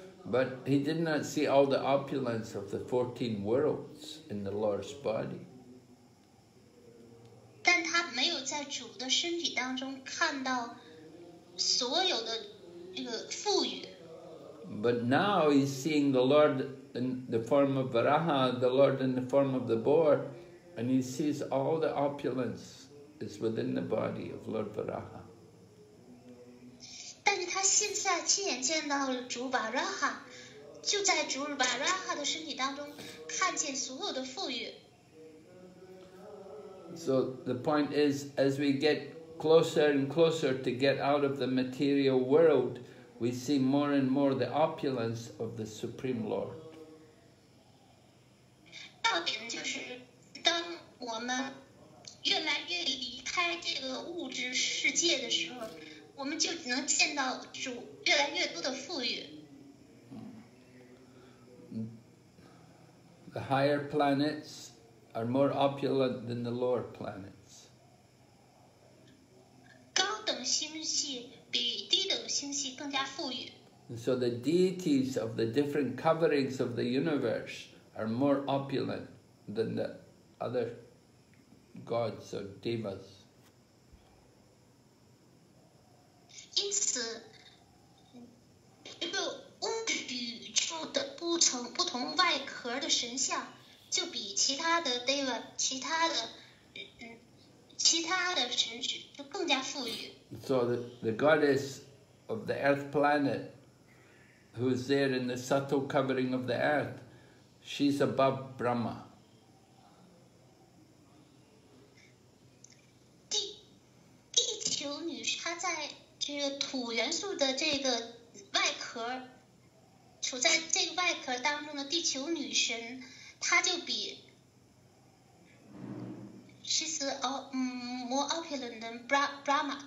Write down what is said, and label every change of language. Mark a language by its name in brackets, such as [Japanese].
[English] But he did not see all the opulence of the 14 worlds in the Lord's body. [Chinese] 但他没有在主的身体当中看到所有的这个富裕。 [English] But now he's seeing the Lord in the form of Varaha, the Lord in the form of the boar, and he sees all the opulence. Is within the body of Lord Varaha. [Chinese] 但是他现在亲眼见到了主 Varaha， 就在主 Varaha 的身体当中看见所有的富裕。 [English] So the point is, as we get closer and closer to get out of the material world, we see more and more the opulence of the Supreme Lord. [Chinese] 重点就是当我们。越来越离开这个物质世界的时候，我们就能见到主越来越多的富裕。 [English] the higher planets are more opulent than the lower planets. [Chinese] 高等星系比低等星系更加富裕。 [English] And so the deities of the different coverings of the universe are more opulent than the other gods or devas. [Chinese] 因此，一个宇宙的不同外壳的神像，就比其他的 deva 其他的神祇就更加富裕。 [English] So the goddess of the earth planet. Who is there in the subtle covering of the earth? She's above Brahma. [Chinese] 地球女她在这个土元素的这个外壳，处在这个外壳当中的地球女神，她就比 [English] she's more opulent than Brahma.